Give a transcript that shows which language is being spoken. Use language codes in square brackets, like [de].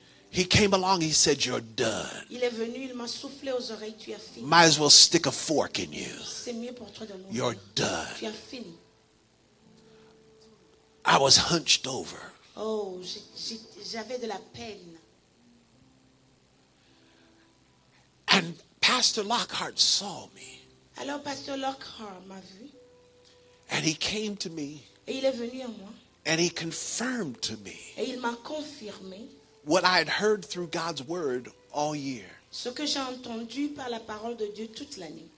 [en] He came along, he said, you're done. [fr] Il est venu, il m'a soufflé aux oreilles, tu as fini. [en] Might as well stick a fork in you. [fr] C'est mieux pour toi de mourir. [en] You're done. [fr] Tu as fini. [en] I was hunched over. [fr] Oh, j'avais de la peine. [en] And Pastor Lockhart saw me. [fr] Alors Pastor Lockhart m'a vu. [en] And he came to me. [fr] Et il est venu à moi. [en] And he confirmed to me. [fr] Et il m'a confirmé. [en] What I had heard through God's word all year. [fr] Ce que j'ai entendu par la parole de Dieu toute l'année.